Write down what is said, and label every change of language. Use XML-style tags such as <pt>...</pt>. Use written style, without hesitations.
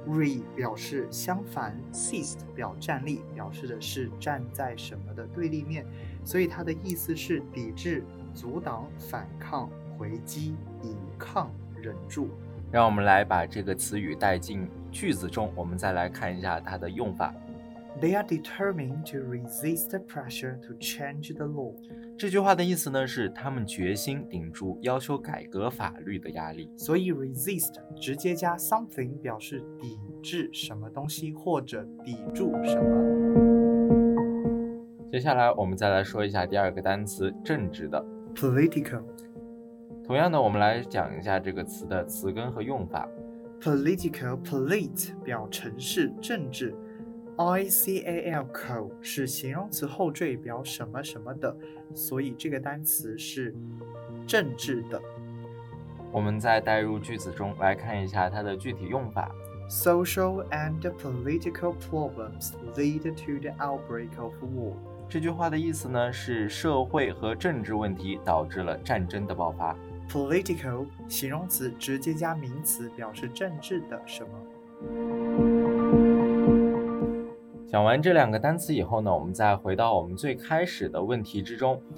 <zh>re 表示相反， sist 表站立，表示的是站在什么的对立面，所以它的意思是抵制、阻挡、反抗、回击、抵抗、忍住。让我们来把这个词语带进句子中，我们再来看一下它的用法。</zh> <en>They are determined to resist the pressure to change the law.</en> <zh>这句话的意思呢，是他们决心顶住要求改革法律的压力。所以 resist 直接加 something 表示抵制什么东西或者抵住什么。接下来我们再来说一下第二个单词，政治的</zh> <en>political。</en> <zh>同样的，我们来讲一下这个词的词根和用法。 Political, polite 表城市、政治。 ical 口是形容词后缀，表什么什么的，所以这个单词是政治的。我们再带入句子中来看一下它的具体用法。</zh> <en>Social and political problems lead to the outbreak of war.</en> <zh>这句话的意思呢，是社会和政治问题导致了战争的爆发。 Political 形容词直接加名词，表示政治的什么。讲完这两个单词以后呢，我们再回到我们最开始的问题之中。</zh>